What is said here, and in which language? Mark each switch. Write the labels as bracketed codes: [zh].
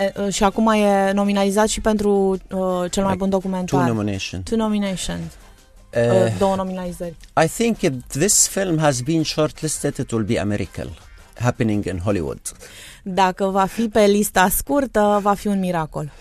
[ro] Și acum e nominalizat și pentru cel mai bun documentar. [en] Two nominations. [ro] Două nominalizări. [en] I think if this film has been shortlisted, it will be a miracle happening in Hollywood. [ro] Dacă va fi pe lista scurtă, va fi un miracol.